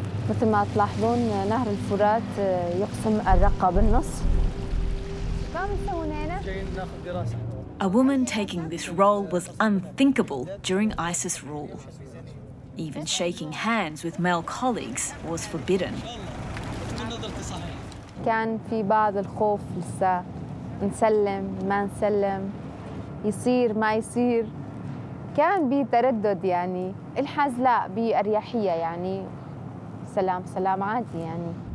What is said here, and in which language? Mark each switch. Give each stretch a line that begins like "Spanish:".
Arabic: مثل ما تلاحظون نهر الفرات يقسم الرقة بالنص.
English: A woman taking this role was unthinkable during ISIS rule. Even shaking hands with male colleagues was forbidden.
Arabic: كان في بعض الخوف لسه نسلم ما نسلم يصير ما يصير كان بتردد يعني الحاز لا بأريحية يعني سلام سلام عادي يعني